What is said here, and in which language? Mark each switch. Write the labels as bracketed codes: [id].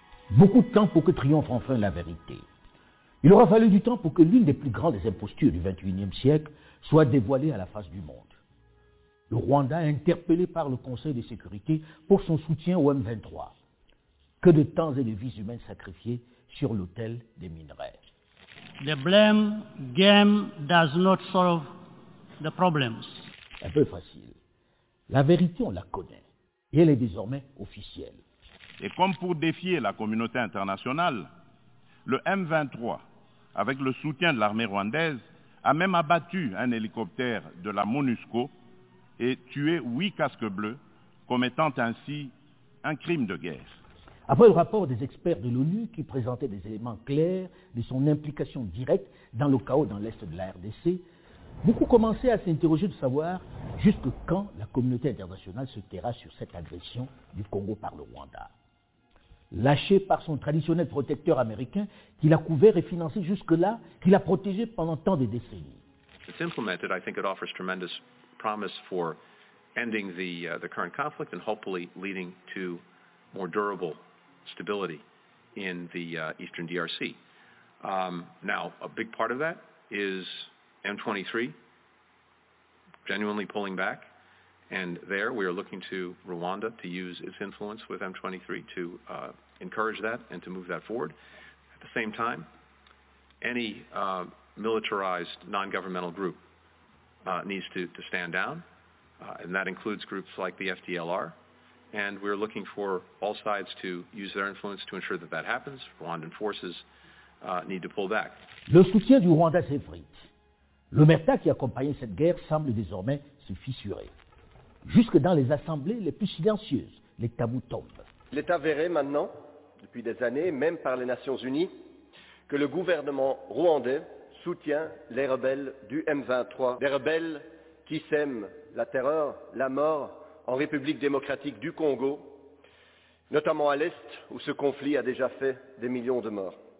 [fr] Beaucoup de temps pour que triomphe enfin la vérité. Il aura fallu du temps pour que l'une des plus grandes impostures du XXIe siècle soit dévoilée à la face du monde. Le Rwanda est interpellé par le Conseil de sécurité pour son soutien au M23. Que de temps et de vies humaines sacrifiées sur l'autel des minerais. [en] The blame game does not solve the problems. [fr] Un peu facile. La vérité, on la connaît. Et elle est désormais officielle. Et comme pour défier la communauté internationale, le M23, avec le soutien de l'armée rwandaise, a même abattu un hélicoptère de la MONUSCO et tué 8 casques bleus, commettant ainsi un crime de guerre. Après le rapport des experts de l'ONU qui présentait des éléments clairs de son implication directe dans le chaos dans l'est de la RDC, beaucoup commençaient à s'interroger de savoir jusque quand la communauté internationale se taira sur cette agression du Congo par le Rwanda. Lâché par son traditionnel protecteur américain, qu'il a couvert et financé jusque-là, qu'il a protégé pendant tant de décennies. [en] It's implemented, I think it offers tremendous promise for ending the current conflict and hopefully leading to more durable stability in the eastern DRC. Now, a big part of that is M23 genuinely pulling back. And there we are looking to Rwanda to use its influence with M23 to encourage that and to move that forward. At the same time, any militarized non-governmental group needs to stand down, and that includes groups like the FDLR. And we're looking for all sides to use their influence to ensure that that happens. Rwandan forces need to pull back. [fr] Le soutien du Rwanda s'effrite. L'omerta qui accompagnait cette guerre semble désormais se fissurer. Jusque dans les assemblées les plus silencieuses, les tabous tombent. L'État verrait maintenant, depuis des années, même par les Nations Unies, que le gouvernement rwandais soutient les rebelles du M23, des rebelles qui sèment la terreur, la mort en République démocratique du Congo, notamment à l'Est, où ce conflit a déjà fait des millions de morts.